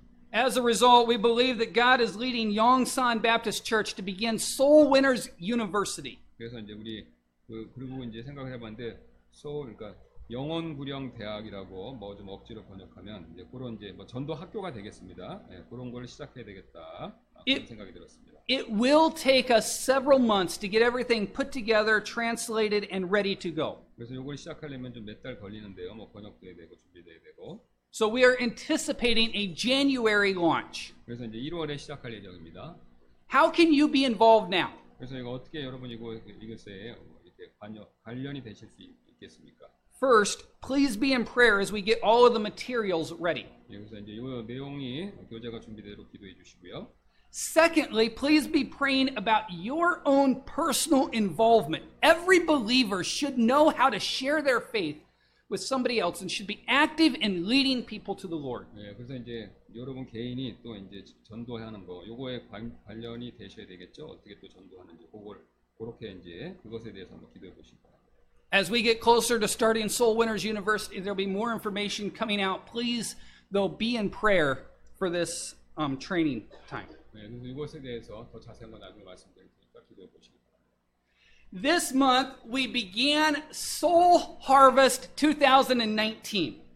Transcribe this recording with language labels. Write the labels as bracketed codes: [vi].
[en] As a result, we believe that God is leading Yongsan Baptist Church to begin Soul Winners University. [ko] 그래서 이제 우리 그리고 이제 생각을 해봤는데 소울 그러니까 영혼 구령 대학이라고 뭐 좀 억지로 번역하면 이제 그런 이제 뭐 전도 학교가 되겠습니다. 예, 그런 걸 시작해야 되겠다 그런 생각이 들었습니다. [en] It will take us several months to get everything put together, translated, and ready to go. [ko] 그래서 이걸 시작하려면 좀 몇 달 걸리는데요. 뭐 번역돼야 되고 준비돼야 되고. [en] So we are anticipating a January launch. [ko] 그래서 이제 1월에 시작할 예정입니다. [en] How can you be involved now? [ko] 그래서 이거 어떻게 여러분 이거 이것에 이렇게 관련이 되실 수 있겠습니까? [en] First, please be in prayer as we get all of the materials ready. [ko] 그래서 이제 이거 내용이 교재가 준비대로 기도해 주시고요. [en] Secondly, please be praying about your own personal involvement. Every believer should know how to share their faith with somebody else and should be active in leading people to the Lord. [ko] 예, 그래서 이제 여러분 개인이 또 이제 전도하는 거 요거에 관련이 되셔야 되겠죠. 어떻게 또 전도하는지 그걸 그렇게 이제 그것에 대해서 한번 기도해 보십시오. [en] As we get closer to starting Soul Winners University, there'll be more information coming out. Please, though, be in prayer for this training time. [ko] 예, 그래서 이것에 대해서 더 자세한 건 나중에 말씀드릴 테니까 기도해 보십시오. [en] This month we began Soul Harvest 2019.